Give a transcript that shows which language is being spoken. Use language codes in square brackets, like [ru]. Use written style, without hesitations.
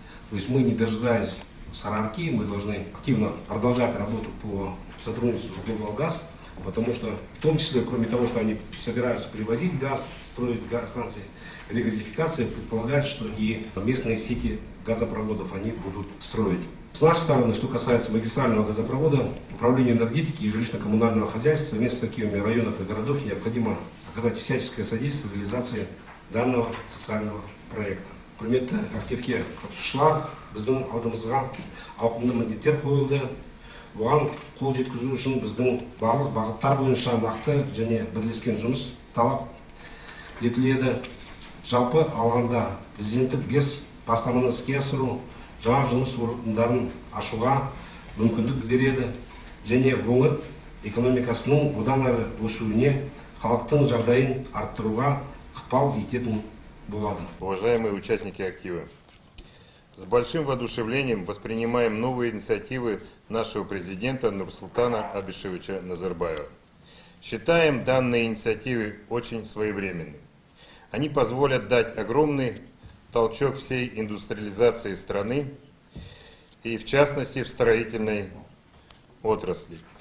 [ru] То есть мы, не дожидаясь Сарыарки, мы должны активно продолжать работу по сотрудничеству с Global Gas, потому что, в том числе, кроме того, что они собираются привозить газ, строить газостанции, регазификация предполагает, что и местные сети газопроводов они будут строить. С нашей стороны, что касается магистрального газопровода, управлению энергетики и жилищно-коммунального хозяйства совместно с активами районов и городов необходимо оказать всяческое содействие в реализации данного социального проекта. [kk] Примета активке обсушла, біздің алдымызға ауқымды міндеттер қойылды. Оған қол жеткізу үшін біздің барлық бағыттар бойынша нақты және бірлескен жұмыс талап етіледі. Жалпы алғанда президенттік 5 бастаманы іске асыру жаңа жұмыс орындарын ашуға мүмкіндік береді. Және өңір экономикасының одан әрі өсуіне халықтың жағдайын арттыруға ықпал ететін болады. [ru] Уважаемые участники активы, с большим воодушевлением воспринимаем новые инициативы нашего президента Нурсултана Абишевича Назарбаева. Считаем данные инициативы очень своевременными. Они позволят дать огромный толчок всей индустриализации страны и в частности в строительной отрасли.